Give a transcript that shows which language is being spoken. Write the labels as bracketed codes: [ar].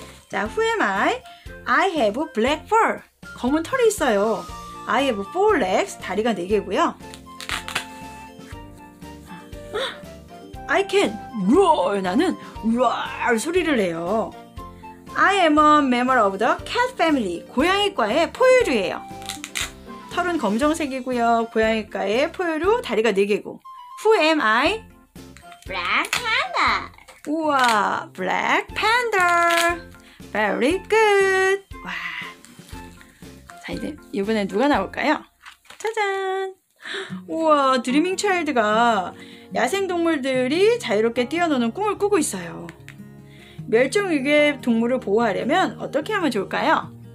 [ko] 자, [en] Who am I? I have a black fur. [ko] 검은 털이 있어요. [en] I have four legs. [ko] 다리가 네 개고요. [en] I can roar. [ko] 나는 roar 소리를 내요. [en] I am a member of the cat family. [ko] 고양이과의 포유류예요. 털은 검정색이고요. 고양이과의 포유류, 다리가 네 개고. [en] Who am I? Black panda. [ko] 우와, [en] black panda. Very good. [ko] 와. 자, 이제 이번에 누가 나올까요? 짜잔. 우와, 드리밍 차일드가 야생 동물들이 자유롭게 뛰어노는 꿈을 꾸고 있어요. 멸종위기의 동물을 보호하려면 어떻게 하면 좋을까요?